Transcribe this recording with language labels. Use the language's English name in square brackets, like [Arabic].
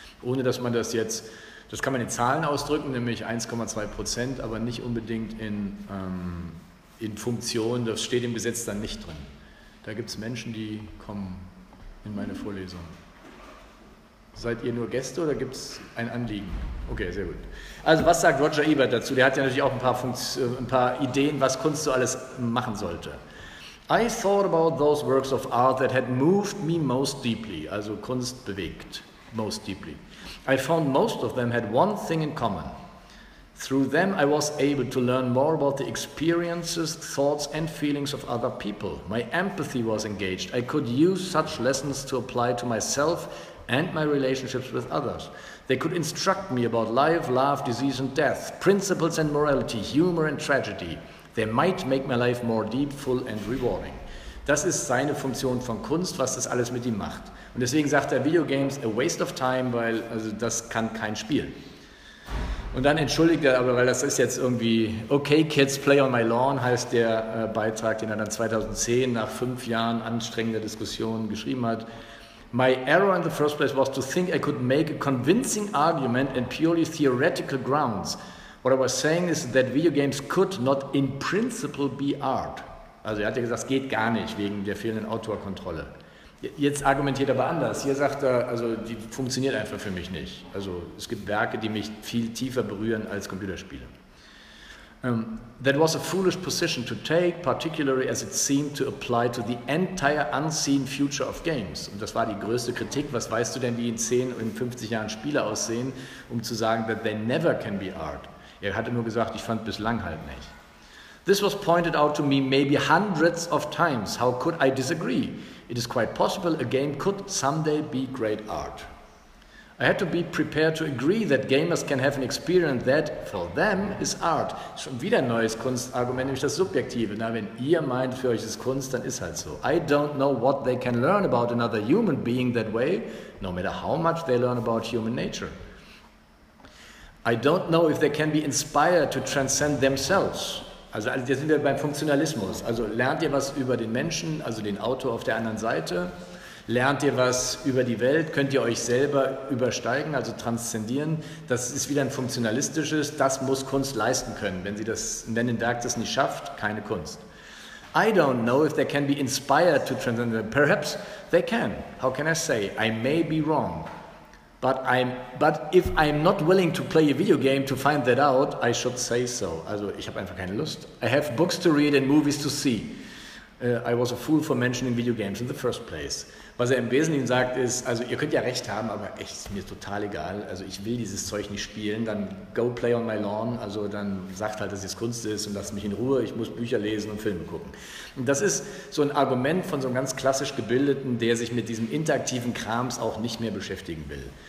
[German] Ohne dass man das jetzt, das kann man in Zahlen ausdrücken, nämlich 1,2%, aber nicht unbedingt in Funktion, das steht im Gesetz dann nicht drin. Da gibt es Menschen, die kommen in meine Vorlesung. Seid ihr nur Gäste oder gibt es ein Anliegen? Okay, sehr gut. Also was sagt Roger Ebert dazu? Der hat ja natürlich auch ein paar Ideen, was Kunst so alles machen sollte. [English] I thought about those works of art that had moved me most deeply. [German] Also Kunst bewegt, [English] most deeply. I found most of them had one thing in common. Through them I was able to learn more about the experiences, thoughts and feelings of other people. My empathy was engaged. I could use such lessons to apply to myself and my relationships with others. They could instruct me about life, love, disease and death, principles and morality, humor and tragedy. They might make my life more deep, full and rewarding. [German] Das ist seine Funktion von Kunst, was das alles mit ihm macht. Und deswegen sagt er, Videogames, [English] a waste of time, [German] weil also das kann kein Spiel. Und dann entschuldigt er aber, weil das ist jetzt irgendwie, [English] okay kids, play on my lawn, [German] heißt der Beitrag, den er dann 2010 nach 5 Jahren anstrengender Diskussion geschrieben hat. [English] My error in the first place was to think I could make a convincing argument and purely theoretical grounds. What I was saying is that video games could not in principle be art. [German] Also er hat ja gesagt, es geht gar nicht wegen der fehlenden Autorkontrolle. Jetzt argumentiert er aber anders. Hier sagt er, also die funktioniert einfach für mich nicht. Also es gibt Werke, die mich viel tiefer berühren als Computerspiele. [English] That was a foolish position to take, particularly as it seemed to apply to the entire unseen future of games. [German] Und das war die größte Kritik. Was weißt du denn, wie in 10 oder 50 Jahren Spiele aussehen, um zu sagen, [English] that they never can be art. [German] Er hatte nur gesagt, ich fand bislang halt nicht. [English] This was pointed out to me maybe hundreds of times. How could I disagree? It is quite possible a game could someday be great art. I had to be prepared to agree that gamers can have an experience that for them is art. [German] Schon wieder ein neues Kunstargument, nämlich das Subjektive. Na, wenn ihr meint, für euch ist Kunst, dann ist halt so. [English] I don't know what they can learn about another human being that way, no matter how much they learn about human nature. I don't know if they can be inspired to transcend themselves. [German] Also jetzt sind wir beim Funktionalismus. Also lernt ihr was über den Menschen, also den Autor auf der anderen Seite? Lernt ihr was über die Welt? Könnt ihr euch selber übersteigen, also transzendieren? Das ist wieder ein funktionalistisches, das muss Kunst leisten können. Wenn ein Werk das nicht schafft, keine Kunst. [English] I don't know if they can be inspired to transcend. Perhaps they can. How can I say? I may be wrong. But if I'm not willing to play a video game to find that out, I should say so. [German] Also ich habe einfach keine Lust. [English] I have books to read and movies to see. I was a fool for mentioning video games in the first place. [German] Was er im Wesentlichen sagt ist, also ihr könnt ja recht haben, aber echt, ist mir total egal. Also ich will dieses Zeug nicht spielen, dann [English] go play on my lawn. [German] Also dann sagt halt, dass es Kunst ist und lasst mich in Ruhe. Ich muss Bücher lesen und Filme gucken. Und das ist so ein Argument von so einem ganz klassisch Gebildeten, der sich mit diesem interaktiven Krams auch nicht mehr beschäftigen will.